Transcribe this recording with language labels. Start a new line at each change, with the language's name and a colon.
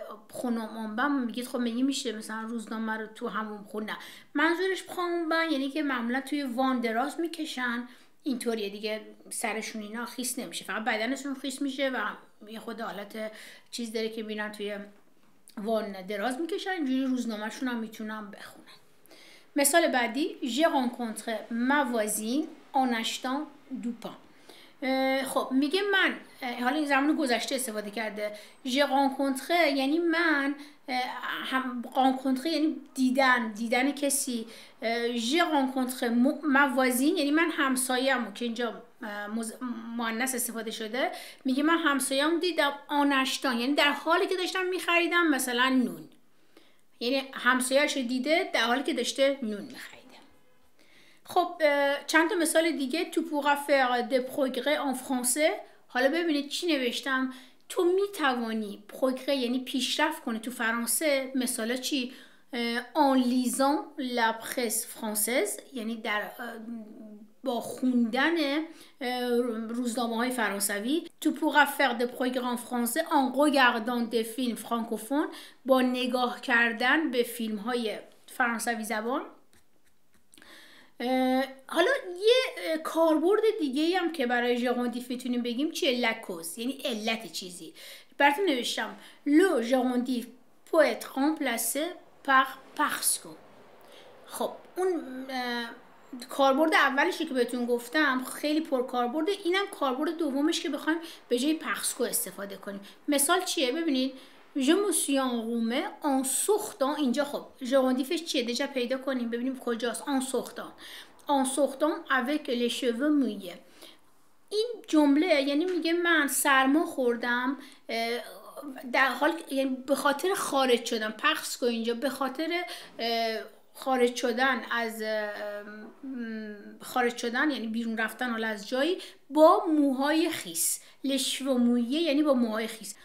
Persian: خونم منبم میگید خب میگی میشه مثلا روزنامه رو تو همون خوندم، منظورش خونبم یعنی که معمولا توی وان دراز میکشن اینطوریه دیگه، سرشون اینا خیس نمیشه، فقط بدنشون خیس میشه و یه خود حالت چیز داره که میرن توی وان دراز میکشن، اینجوری روزنامه شون هم میتونن بخونن. مثال بعدی،
French: j'ai rencontré ma voisine en achetant du pain.
Persian: خب میگه من، حالا این زمان گذشته استفاده کرده، j'ai rencontré یعنی من، هم rencontré یعنی دیدن کسی،
French: j'ai rencontré ma voisine
Persian: یعنی من همسایه‌مو که اینجا مؤنث استفاده شده، میگه من همسایه‌مو دیدم
French: en achetant
Persian: یعنی در حالی که داشتم می‌خریدم مثلا نون، یعنی همسایه‌اش رو دیده در حالی که داشته نون می‌خریده. خب چند تا مثال دیگه، تو
French: pourra faire des progrès en français.
Persian: حالا ببینید چی نوشتم، تو می‌توانی progrès یعنی پیشرفت کنی تو فرانسه، مثلا چی؟
French: en lisant la presse française
Persian: یعنی در با خوندن روزنامه‌های فرانسوی.
French: تو pourra faire des progrès en français en regardant des films francophones
Persian: با نگاه کردن به فیلم‌های فرانسوی زبان. حالا یه کاربرد دیگه‌ای هم که برای ژرندیف میتونیم بگیم چیه؟
French: la cause
Persian: یعنی علت چیزی. براتون نوشتم
French: le ژرندیف peut être remplacé par parce que.
Persian: خب اون کاربرد اولشی که بهتون گفتم خیلی پرکاربرده، اینم کاربرد دومش که بخوایم به جای پخسکو استفاده کنیم. مثال چیه؟ ببینید،
French: je me suis enrhumé en sortant.
Persian: اینجا خب ژرندیفش چیه؟ دیگه پیدا کنیم ببینیم کجاست.
French: en sortant avec les cheveux mouillés.
Persian: این جمله یعنی میگه من سرما خوردم در حال یعنی به خاطر خارج شدم، پخسکو اینجا به خاطر خارج شدن یعنی بیرون رفتن حالا از جایی با موهای خیس، لشو مویه یعنی با موهای خیس.